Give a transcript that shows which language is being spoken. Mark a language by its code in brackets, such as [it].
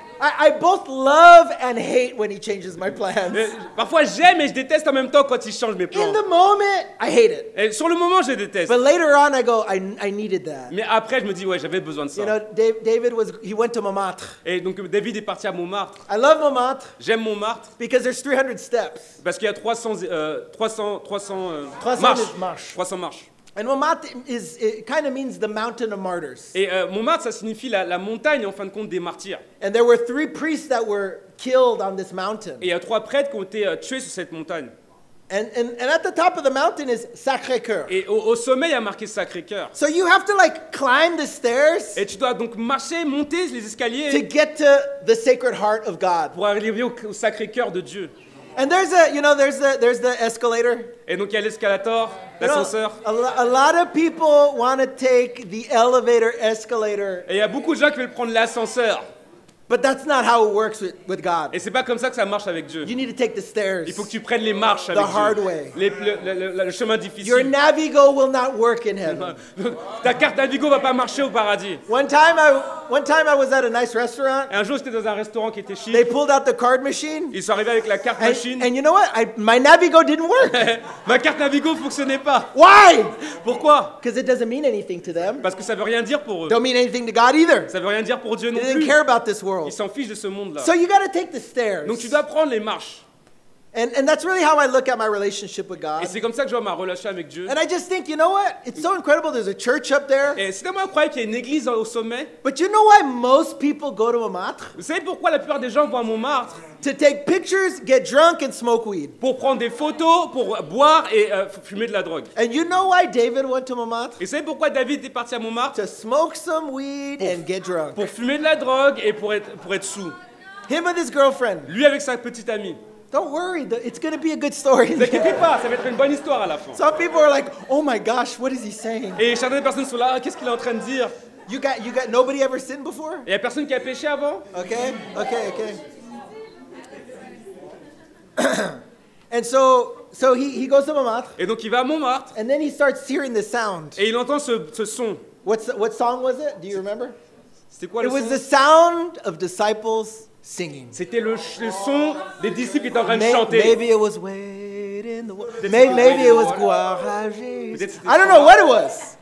[en] I both love and hate when he changes my plans. [fr] Parfois j'aime et je déteste en même temps quand il change mes plans. [en] In the moment, I hate it. [fr] Et sur le moment, je déteste. [en] But later on, I go, I needed that. [fr] Mais après, je me dis, ouais, j'avais besoin de ça. [en] You know, David went to Montmartre. [fr] Et donc David est parti à Montmartre. [en] I love Montmartre. [fr] J'aime Montmartre. [en] Because there's 300 steps. [fr] Parce qu'il y a 300 marches. [en] And Montmartre is it kind of means the mountain of martyrs. [fr] Et Montmartre ça signifie la montagne en fin de compte des martyrs. [en] And there were 3 priests that were killed on this mountain. [fr] Et il y a 3 prêtres qui ont été tués sur cette montagne. [en] And at the top of the mountain is Sacré-Cœur. [fr] Et au sommet il y a marqué Sacré-Cœur. [en] So you have to like climb the stairs. [fr] Et tu dois donc marcher, monter les escaliers. [en] To get to the Sacred Heart of God. [fr] Pour arriver au Sacré-Cœur de Dieu. [en] And there's a, you know, there's the escalator. [fr] Et donc il y a l'escalator, l'ascenseur. [en] A lot of people want to take the elevator, escalator. [fr] Et il y a beaucoup de gens qui veulent prendre l'ascenseur. [en] But that's not how it works with God. [fr] Et c'est pas comme ça que ça marche avec Dieu. [en] You need to take the stairs. [fr] Il faut que tu prennes les marches [en] the [fr] avec [en] hard [fr] Dieu. [en] Way. [fr] Le chemin difficile. [en] Your Navigo will not work in heaven. [fr] Ta carte Navigo va pas marcher au paradis. [en] One time I was at a nice restaurant. [fr] Et un jour j'étais dans un restaurant qui était chic. [en] They pulled out the card machine. [fr] Ils sont arrivés avec la carte machine. [en] And you know what? My Navigo didn't work. [fr] Ma carte Navigo fonctionnait pas. [en] Why? [fr] Pourquoi? [en] Because it doesn't mean anything to them. [fr] Parce que ça veut rien dire pour eux. [en] Don't mean anything to God either. [fr] Ça veut rien dire pour Dieu non plus. [en] They didn't care about this. [fr] Ils s'en fichent de ce monde-là. [en] So you gotta take the stairs. [fr] Donc tu dois prendre les marches. [en] And that's really how I look at my relationship with God. [fr] Et c'est comme ça que je vois ma relation avec Dieu. [en] And I just think, you know what? It's so incredible. There's a church up there. [fr] Et c'est tellement incroyable qu'il y a une église au sommet. [en] But you know why most people go to Montmartre? [fr] Vous savez pourquoi la plupart des gens vont à Montmartre? [en] To take pictures, get drunk, and smoke weed. [fr] Pour prendre des photos, pour boire et fumer de la drogue. [en] And you know why David went to Montmartre? [fr] Et savez pourquoi David est parti à Montmartre? [en] To smoke some weed and get drunk. [fr] Pour fumer de la drogue et pour être sous. [en] Him and his girlfriend. [fr] Lui avec sa petite amie. [en] Don't worry, it's going to be a good story. [fr] Ne t'inquiète pas, ça va être une bonne histoire à la fin. [en] Some people are like, oh my gosh, what is he saying? [fr] Et certaines personnes sont là, qu'est-ce qu'il est en train de dire? [en] You got nobody ever sinned before? [fr] Il y a personne qui a péché avant? [en] Okay. And so he goes to Montmartre. [fr] Et donc il va à Montmartre. [en] And then he starts hearing the sound. [fr] Et il entend ce son. [en] What song was it? Do you remember? [fr] C'était quoi le son? [en] It was the sound of disciples singing. [fr] C'était le son des disciples qui étaient en train de chanter. [en] Maybe it was waiting the maybe it was Guarajis. I don't know what it was.